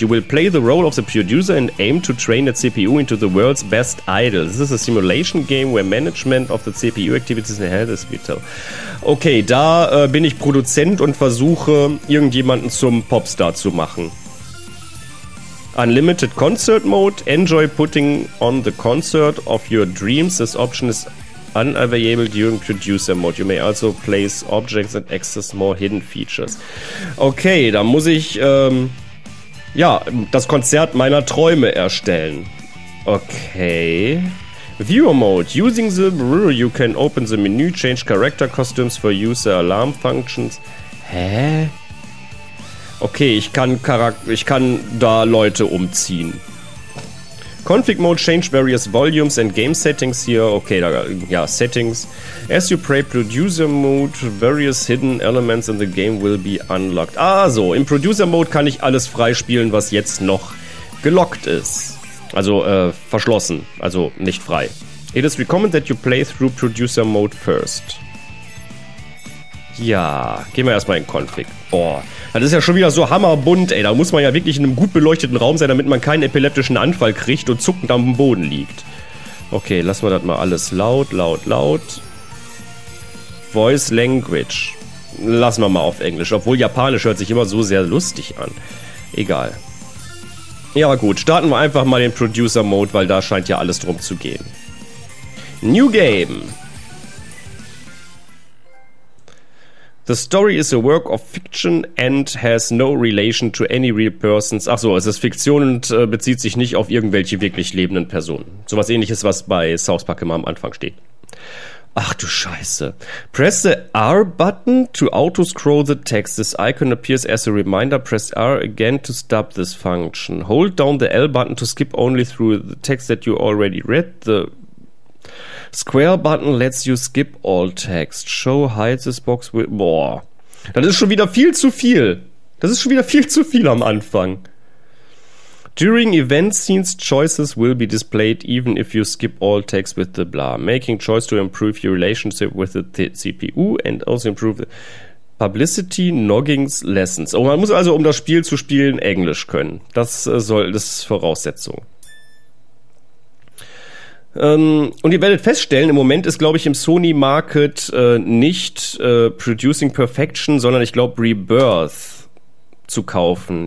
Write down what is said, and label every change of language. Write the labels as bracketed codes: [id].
[en] You will play the role of the producer and aim to train the CPU into the world's best idol. This is a simulation game where management of the CPU activities and health is vital. [de] Okay, da bin ich Produzent und versuche, irgendjemanden zum Popstar zu machen. [en] Unlimited Concert Mode. Enjoy putting on the concert of your dreams. This option is unavailable during Producer Mode. You may also place objects and access more hidden features. [de] Okay, dann muss ich das Konzert meiner Träume erstellen. [en] Okay. Viewer Mode. Using the rule, you can open the menu, change character costumes for user alarm functions. Hä? [de] Okay, ich kann da Leute umziehen. [en] Config Mode, change various volumes and game settings here. Okay, [de] da, ja, [en] Settings. As you play Producer Mode, various hidden elements in the game will be unlocked. [de] Ah, so, im Producer Mode kann ich alles freispielen, was jetzt noch gelockt ist. Also, verschlossen, also nicht frei. [en] It is recommended that you play through Producer Mode first. [de] Ja, gehen wir erstmal in Config. Boah, das ist ja schon wieder so hammerbunt, ey. Da muss man ja wirklich in einem gut beleuchteten Raum sein, damit man keinen epileptischen Anfall kriegt und zuckend am Boden liegt. Okay, lassen wir das mal alles laut, laut, laut. Voice Language. Lassen wir mal auf Englisch, obwohl Japanisch hört sich immer so sehr lustig an. Egal. Ja gut, starten wir einfach mal den Producer Mode, weil da scheint ja alles drum zu gehen. [en] New Game. The story is a work of fiction and has no relation to any real persons. [de] Ach so, es ist Fiktion und bezieht sich nicht auf irgendwelche wirklich lebenden Personen. Sowas ähnliches, was bei South Park immer am Anfang steht. Ach du Scheiße. [en] Press the R button to auto-scroll the text. This icon appears as a reminder. Press R again to stop this function. Hold down the L button to skip only through the text that you already read. The Square Button lets you skip all text. Show hides this box with. [de] Boah. Das ist schon wieder viel zu viel. Das ist schon wieder viel zu viel am Anfang. [en] During event scenes, choices will be displayed even if you skip all text with the blah. Making choice to improve your relationship with the CPU and also improve the publicity, noggings, lessons. [de] Oh, man muss also, um das Spiel zu spielen, Englisch können. Das ist Voraussetzung. Und ihr werdet feststellen, im Moment ist, glaube ich, im Sony Market nicht Producing Perfection, sondern ich glaube Rebirth zu kaufen.